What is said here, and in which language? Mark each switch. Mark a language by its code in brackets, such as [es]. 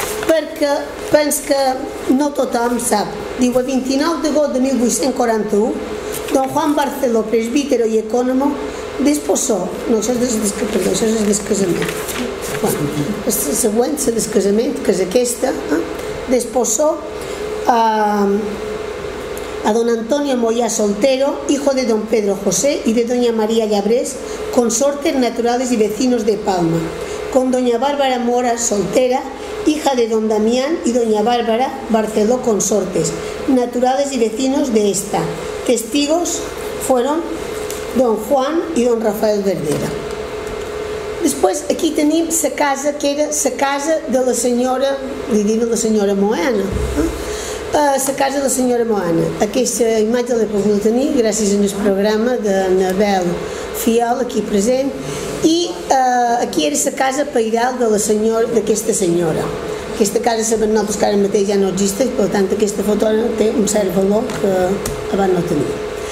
[ca] perquè pens que no tothom sap. Diu, el 29 d'agost de 1841, don Juan Barceló, presbítero i ecònomo, desposó, no, això és el descasament, bueno, el següent, el descasament, que és aquesta, eh? [es] Desposó a don Antonio Moyá Soltero, hijo de don Pedro José y de doña María Llabrés, consortes naturales y vecinos de Palma, con doña Bárbara Mora Soltera, hija de don Damián y doña Bárbara Barceló consortes, naturales y vecinos de esta. Testigos fueron don Juan y don Rafael Verdera. Después aquí tenemos la casa que era la casa de la señora, le digo la señora Moana, la casa de la señora Moana. [ca] Aquesta imatge la podem tenir gràcies al programa de Nabel Fiol aquí present. I aquí era la casa pairal d'aquesta senyora. Aquesta casa sabem nosaltres que ara mateix ja no existeix, per tant aquesta foto té un cert valor que abans no tenia.